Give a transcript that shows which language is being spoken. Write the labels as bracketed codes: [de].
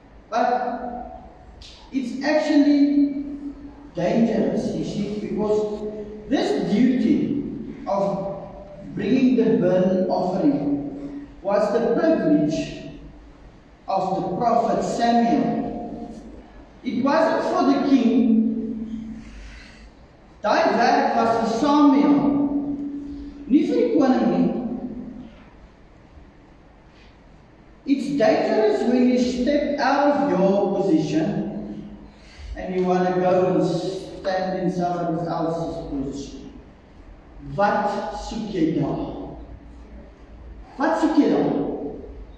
[en] But it's actually dangerous, you see, because this duty of bringing the burnt offering was the privilege of the prophet Samuel. It wasn't for the king. [af] Die werk was for Samuel, nie vir die koning nie. [en] It's dangerous when you step out of your position and you want to go and stand in someone else's position. [af] Wat soek jy daar? Wat soek jy daar?